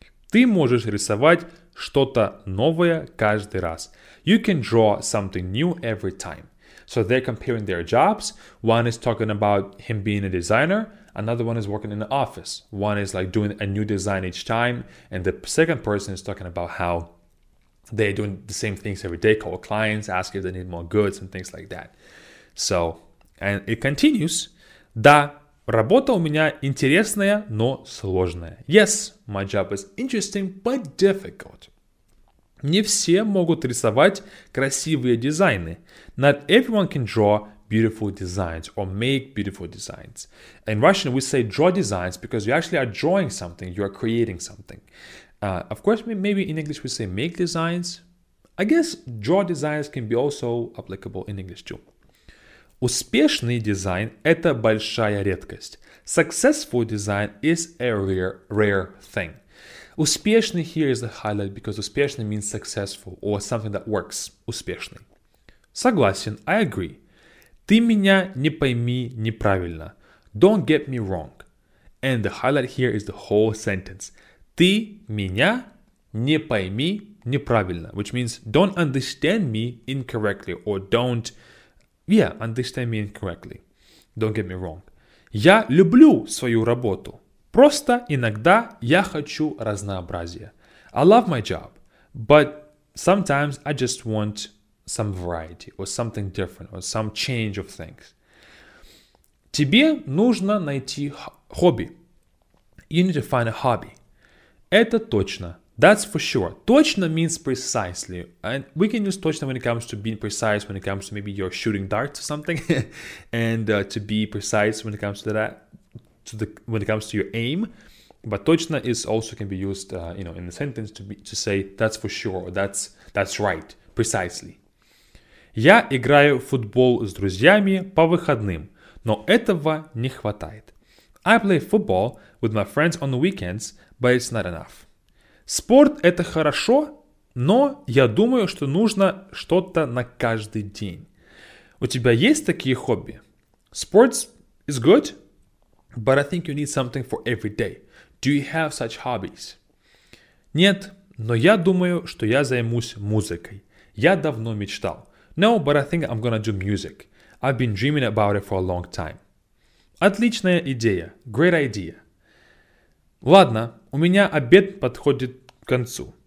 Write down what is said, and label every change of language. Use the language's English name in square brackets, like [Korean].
[Russian] Ты можешь рисовать что-то новое каждый раз. [English] You can draw something new every time. So they're comparing their jobs. One is talking about him being a designer. Another one is working in the office. One is like doing a new design each time. And the second person is talking about how they're doing the same things every day. Call clients, ask if they need more goods and things like that. So, and it continues. [Russian] Да, работа у меня интересная, но сложная. [English] Yes, my job is interesting, but difficult. [Russian] Не все могут рисовать красивые дизайны. [English] Not everyone can draw beautiful designs or make beautiful designs. In Russian, we say draw designs because you actually are drawing something, you are creating something. Of course, maybe in English we say make designs. I guess draw designs can be also applicable in English too. [Russian] Успешный дизайн – это большая редкость. [English] Successful design is a rare thing. Успешный here is the highlight because успешный means successful or something that works. Успешный. [Russian] Согласен, [English] I agree. [Russian] Ты меня не пойми неправильно. [English] Don't get me wrong. And the highlight here is the whole sentence. [Russian] Ты меня не пойми неправильно. [English] Which means don't understand me incorrectly or don't... Yeah, understand me incorrectly. Don't get me wrong. [Russian] Я люблю свою работу. Просто иногда я хочу разнообразия. [English] I love my job, but sometimes I just want some variety or something different or some change of things. [Russian] Тебе нужно найти хобби. [English] You need to find a hobby. [Russian] Это точно. [English] That's for sure. Точно means precisely. And we can use точно when it comes to being precise, when it comes to maybe you're shooting darts or something. And to be precise when it comes to that, when it comes to your aim. But точно is also can be used, you know, in a sentence to say that's for sure, or that's right, precisely. [Russian] Я играю в футбол с друзьями по выходным, но этого не хватает. [English] I play football with my friends on the weekends, but it's not enough. [Russian] Спорт – это хорошо, но я думаю, что нужно что-то на каждый день. У тебя есть такие хобби? [English] Sports is good, but I think you need something for every day. Do you have such hobbies? [Russian] Нет, но я думаю, что я займусь музыкой. Я давно мечтал. [English] No, but I think I'm gonna do music. I've been dreaming about it for a long time. [Russian] Отличная идея. [English] Great idea. [Russian] Ладно, у меня обед подходит к концу.